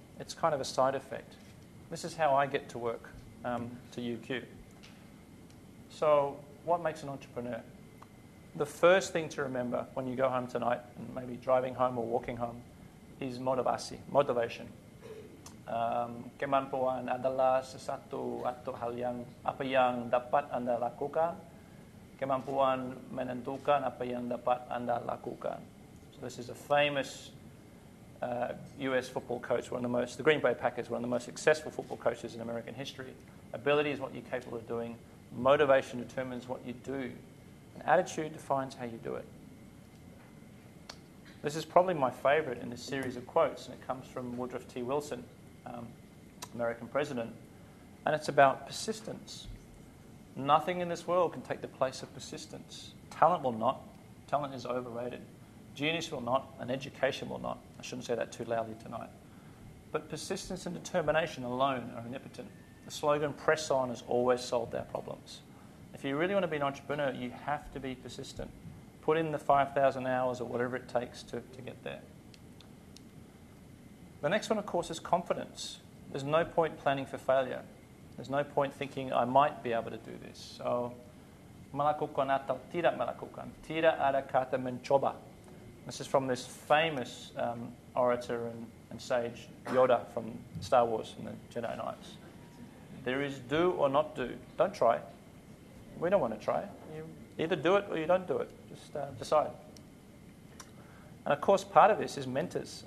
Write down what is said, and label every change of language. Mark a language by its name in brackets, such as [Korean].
[English] It's kind of a side effect. This is how I get to work to UQ. So what makes an entrepreneur? The first thing to remember when you go home tonight, and maybe driving home or walking home, is motivation. [Indonesian] Kemampuan adalah sesuatu atau hal yang apa yang dapat anda lakukan. Kemampuan menentukan apa yang dapat anda lakukan. [English] So this is a famous U.S. football coach, the Green Bay Packers, one of the most successful football coaches in American history. Ability is what you're capable of doing. Motivation determines what you do. And attitude defines how you do it. This is probably my favorite in this series of quotes, and it comes from Woodrow T. Wilson, American president. And it's about persistence. Nothing in this world can take the place of persistence. Talent will not. Talent is overrated. Genius will not, and education will not. I shouldn't say that too loudly tonight. But persistence and determination alone are omnipotent. The slogan, press on, has always solved our problems. If you really want to be an entrepreneur, you have to be persistent. Put in the 5,000 hours or whatever it takes to get there. The next one, of course, is confidence. There's no point planning for failure. There's no point thinking I might be able to do this. [Indonesian] So, melakukan atau tidak melakukan, tidak ada kata mencoba. [English] This is from this famous orator and sage Yoda from Star Wars and the Jedi Knights. There is do or not do. Don't try. We don't want to try. You either do it or you don't do it. Just decide. And of course, part of this is mentors.